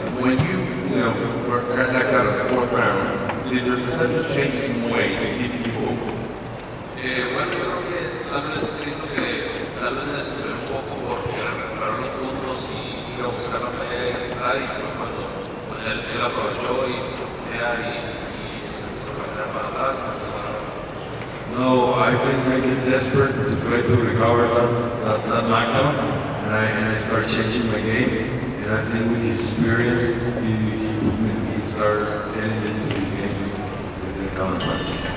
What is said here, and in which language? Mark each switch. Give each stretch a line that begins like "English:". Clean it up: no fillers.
English: When you, were knocked out of the fourth round, did your perception change in some way to keep you focused?
Spanish: Bueno, yo creo que tal vez siento que tal vez necesito un poco por recuperar los puntos y ir a buscar la pelea y ejecutar, y cuando pues, él aprovechó y pelear y se empezó a ganar.
English: No, I think I get desperate to try to recover that knockdown, and I start changing my game. And I think with his experience, he start getting into his game with the counter punch.